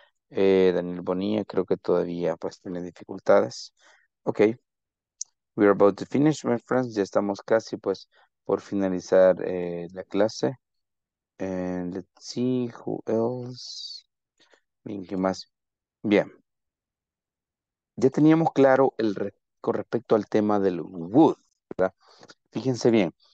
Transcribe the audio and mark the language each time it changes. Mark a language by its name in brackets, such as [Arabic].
[Spanish] Daniel Bonilla, creo que todavía pues tiene dificultades. [English] Okay, we are about to finish, my friends. [Spanish] Ya estamos casi, pues, por finalizar la clase. [English] And let's see who else. [Spanish] ¿Qué más? Bien. Ya teníamos claro con respecto al tema del would, ¿verdad? Fíjense bien.